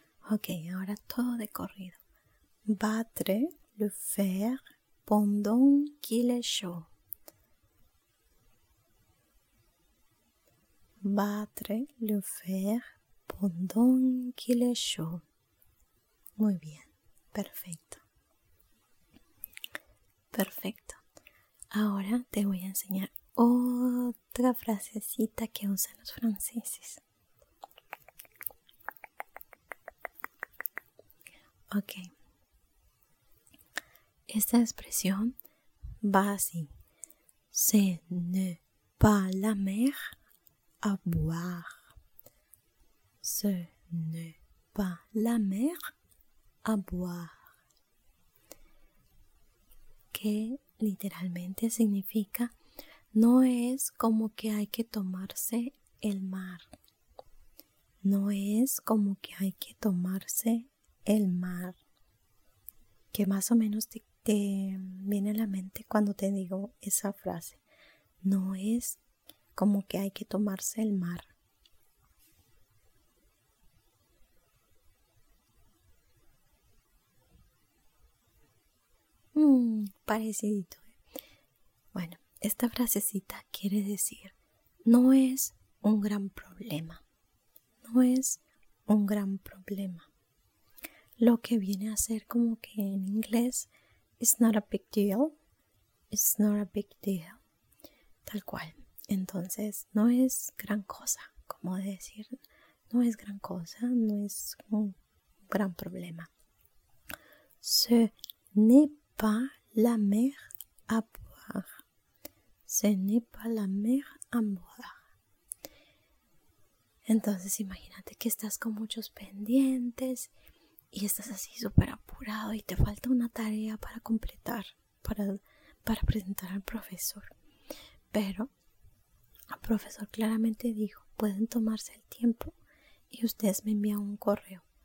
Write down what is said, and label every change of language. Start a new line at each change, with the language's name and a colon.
Spanish: Ok, ahora todo de corrido.
French: Battre le fer pendant qu'il est chaud. Battre le fer pendant qu'il est chaud.
Spanish: Muy bien, perfecto. Perfecto. Ahora te voy a enseñar otra frasecita que usan los franceses. Ok. Esta expresión va así.
French: Ce n'est pas la mer à boire. Ce n'est pas la mer à boire.
Spanish: Que literalmente significa no es como que hay que tomarse el mar. No es como que hay que tomarse el mar. Que más o menos te viene a la mente cuando te digo esa frase. No es como que hay que tomarse el mar. Parecidito. Bueno, esta frasecita quiere decir, no es un gran problema. No es un gran problema. Lo que viene a ser como que en inglés,
English: it's not a big deal. It's not a big deal.
Spanish: Tal cual. Entonces, no es gran cosa, como decir, no es gran cosa, no es un gran problema.
French: Ce n'est pas la mer à boire. Ce n'est pas la mer à boire.
Spanish: Entonces, imagínate que estás con muchos pendientes y estás así súper apurado y te falta una tarea para completar, para presentar al profesor. Pero El profesor claramente dijo, pueden tomarse el tiempo y ustedes me envían un correo.